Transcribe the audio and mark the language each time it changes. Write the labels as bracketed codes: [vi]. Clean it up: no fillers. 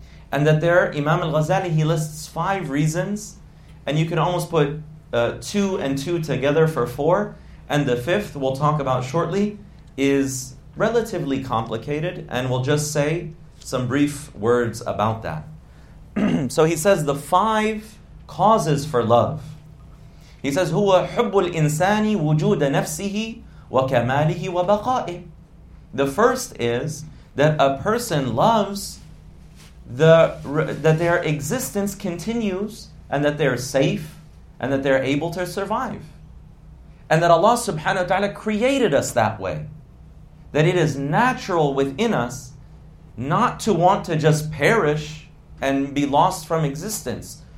[en] And that there, Imam al-Ghazali, he lists five reasons, and you can almost put two and two together for four. And the fifth, we'll talk about shortly, is relatively complicated, and we'll just say some brief words about that. So he says the five causes for love. He says, [ar] هو حب الإنسان وجود نفسه وكماله وبقائه. [en] The first is that a person loves that their existence continues, and that they're safe, and that they're able to survive. And that Allah subhanahu wa ta'ala created us that way. That it is natural within us not to want to just perish and be lost from existence.